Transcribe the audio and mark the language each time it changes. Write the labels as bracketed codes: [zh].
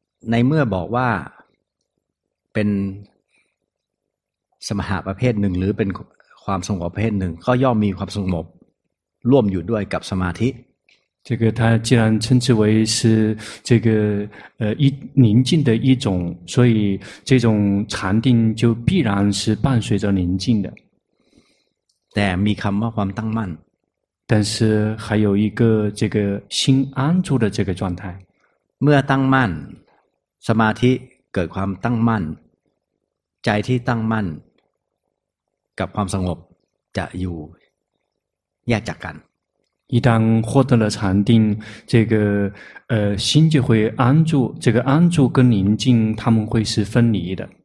[th] ในเมื่อบอกว่าเป็นสมถะประเภทหนึ่งหรือเป็นความสงบประเภทหนึ่งก็ย่อมมีความสงบร่วมอยู่ด้วยกับสมาธิ [zh] 这个它既然称之为是这个宁静的一种所以这种禅定就必然是伴随着宁静的 [th] แต่มีคำว่าความตั้งมั่น [zh] 但是还有一个这个心安住的这个状态。 [th] เมื่อตั้งมั่น สมาธิ เกิดความตั้งมั่น ใจที่ตั้งมั่น กับความสงบ จะอยู่แยกจากกัน [zh] 一旦获得了禅定，这个心就会安住，这个安住跟宁静，他们会是分离的。